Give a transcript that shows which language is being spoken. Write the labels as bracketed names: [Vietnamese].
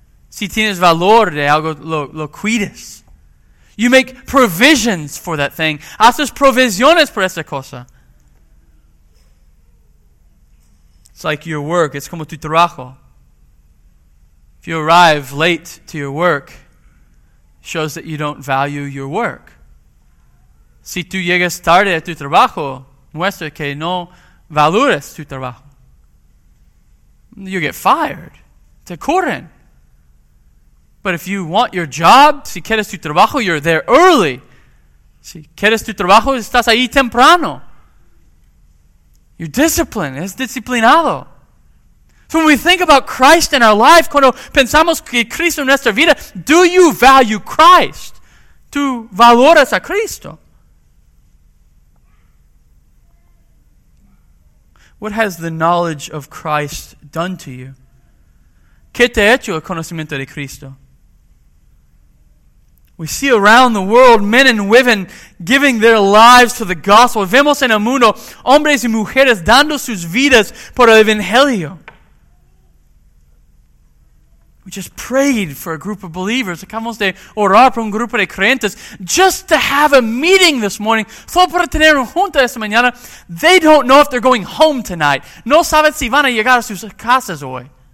[Spanish] Si tienes valor de algo, lo cuides. [English] You make provisions for that thing. [Spanish] Haces provisiones por esa cosa. [English] It's like your work. [Spanish] Es como tu trabajo. [English] If you arrive late to your work, it shows that you don't value your work. [Spanish] Si tú llegas tarde a tu trabajo, muestra que no valoras tu trabajo. [English] You get fired. [Spanish] Te corren. [English] But if you want your job, [Spanish] si quieres tu trabajo, [English] you're there early. [Spanish] Si quieres tu trabajo, estás ahí temprano. [English] You're disciplined. Es disciplinado. So when we think about Christ in our life, [Spanish] cuando pensamos que Cristo en nuestra vida, [English] do you value Christ? [Spanish] ¿Tú valoras a Cristo? [English] What has the knowledge of Christ done to you? [Spanish] ¿Qué te ha hecho el conocimiento de Cristo? [English] We see around the world men and women giving their lives to the gospel. [Spanish] Vemos en el mundo hombres y mujeres dando sus vidas por el evangelio. [English] We just prayed for a group of believers. [Spanish] Acabamos de orar por un grupo de creyentes [English] just to have a meeting this morning. [Spanish] Solo para tener una junta esta mañana. [English] They don't know if they're going home tonight. [Spanish] No saben si van a llegar a sus casas hoy.